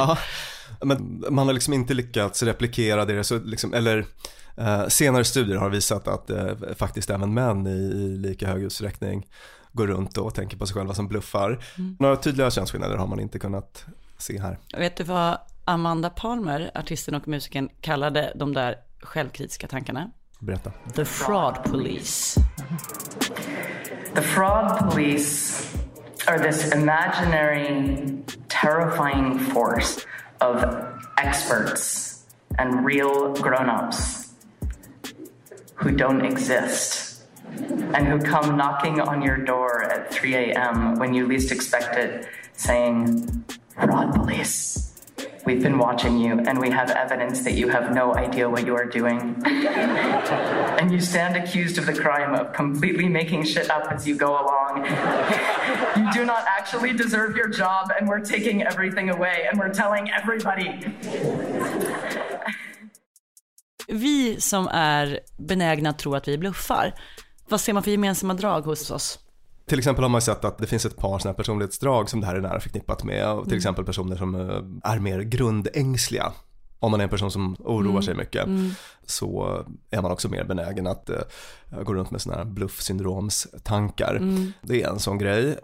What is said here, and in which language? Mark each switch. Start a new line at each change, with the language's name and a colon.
Swedish: Ja, men man har liksom inte lyckats replikera det, så liksom, eller senare studier har visat att faktiskt även män i lika hög utsträckning går runt och tänker på sig själva som bluffar. Mm. Några tydliga könsskillnader har man inte kunnat se här. Vet du vad Amanda Palmer, artisten och musikern, kallade de där självkritiska tankarna? Berätta.
English: The fraud police. The fraud police are this imaginary, terrifying force of experts and real grown-ups who don't exist and who come knocking on your door at 3 a.m. when you least expect it, saying, "Fraud police, we've been watching you and we have evidence that you have no idea what you are doing." And you stand accused of the crime of completely making shit up as you go along. You do not actually deserve your job, and we're taking everything away and we're telling everybody.
Swedish: Vi som är benägna att tro att vi bluffar, vad ser man för gemensamma drag hos oss? Till exempel har man sett att det finns ett par såna här personlighetsdrag som det här är nära förknippat med. Till exempel personer som är mer grundängsliga. Om man är en person som oroar sig mycket så är man också mer benägen att gå runt med såna här bluffsyndromstankar. Mm. Det är en sån grej.